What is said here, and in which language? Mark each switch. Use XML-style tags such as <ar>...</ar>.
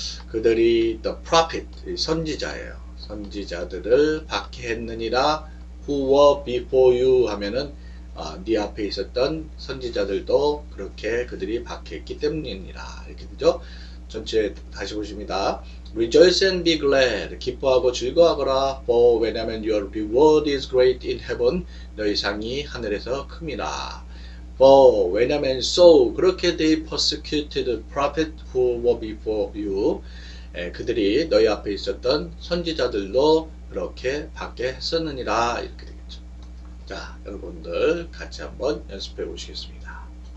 <ko>그들이</ko> <en>the prophet,</en> <ko>선지자예요. 선지자들을 박해했느니라,</ko> <en>who were before you</en> <ko>하면은, 네 앞에 있었던 선지자들도 그렇게 그들이 박해했기 때문이니라. 이렇게 되죠. 전체 다시 보십니다.</ko> <en>Rejoice and be glad.</en> <ko>기뻐하고 즐거워하거라.</ko> <en>For</en> <ko>왜냐면</ko> <en>your reward is great in heaven.</en> <ko>너희 상이 하늘에서 큽니다.</ko> <en>For</en> <ko>왜냐면</ko> <en>so</en> <ko>그렇게</ko> <en>they persecuted the prophet who were before you.</en> <ko>에, 그들이 너희 앞에 있었던 선지자들도 그렇게 박해했었느니라. 이렇게 자, 여러분들 같이 한번 연습해 보시겠습니다.</ko>